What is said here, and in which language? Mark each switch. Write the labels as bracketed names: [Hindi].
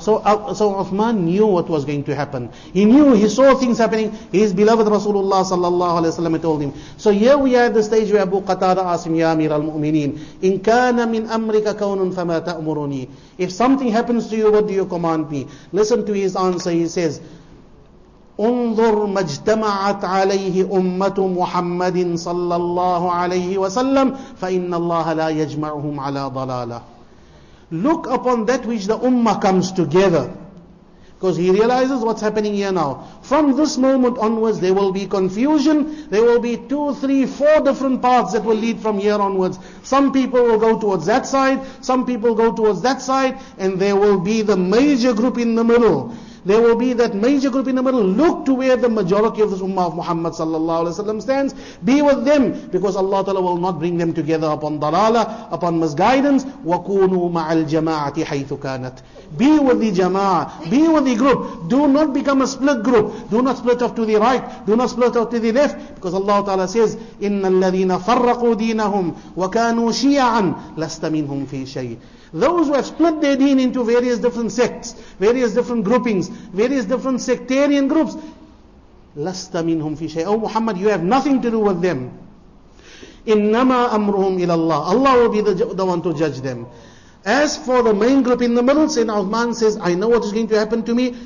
[English] So Uthman knew what was going to happen. He knew, he saw things happening. His beloved Rasulullah sallallahu alayhi wa sallam told him. So here we are at the stage where Abu Qatada asked him, [Arabic] "Ya Amir al-Mu'mineen, in kana min amrika kawnun fama ta'muruni." [English] If something happens to you, what do you command me? Listen to his answer. He says, [Arabic] "انظر ما اجتمعت عليه أمة محمد صلى الله عليه وسلم فإن الله لا يجمعهم على ضلالة." [English] Look upon that which the ummah comes together. Because he realizes what's happening here now. From this moment onwards, there will be confusion. There will be two, three, four different paths that will lead from here onwards. Some people will go towards that side. Some people go towards that side. And there will be the major group in the middle. There will be that major group in the middle. Look to where the majority of this ummah of Muhammad sallallahu alaihi wasallam stands. Be with them, because Allah Ta'ala will not bring them together upon dalala, upon misguidance. [Arabic] وَكُونُوا مَعَ الْجَمَاعَةِ حَيْثُ كَانَتْ. [English] Be with the jama'ah. Be with the group. Do not become a split group. Do not split off to the right. Do not split off to the left. Because Allah Ta'ala says, [Arabic] إِنَّ الَّذِينَ فَرَّقُوا دِينَهُمْ وَكَانُوا شِيَعًا لَسْتَ مِنْهُمْ فِي شَيْءٍ. [English] Those who have split their deen into various different sects, various different groupings, various different sectarian groups, [Arabic] لَسْتَ مِنْهُمْ فِي شَيْءٍ. [English] Oh Muhammad, you have nothing to do with them. [Arabic] إِنَّمَا أَمْرُهُمْ إِلَى اللَّهِ. [English] Allah will be the one to judge them. As for the main group in the middle, Sayyidina Uthman says, "I know what is going to happen to me.